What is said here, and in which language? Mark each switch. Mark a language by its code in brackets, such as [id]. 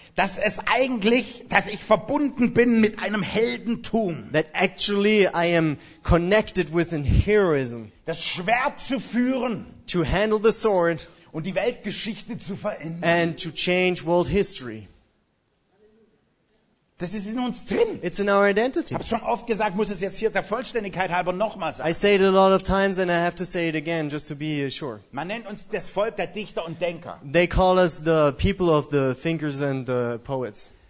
[de] Dass es eigentlich, dass ich verbunden bin mit einem Heldentum. [en] That actually I am connected with an heroism. [de] Das Schwert zu führen. [en] To handle the sword. [de] Und die Weltgeschichte zu verändern. [en] And to change world history. [de] Das ist in uns drin. [en] It's in our identity. [de] Ich habe schon oft gesagt, muss es jetzt hier der Vollständigkeit halber nochmal sagen. [en] I say it a lot of times and I have to say it again just to be sure. [de] Man nennt uns das Volk der Dichter und Denker. [en] They call us the people of the thinkers and the poets.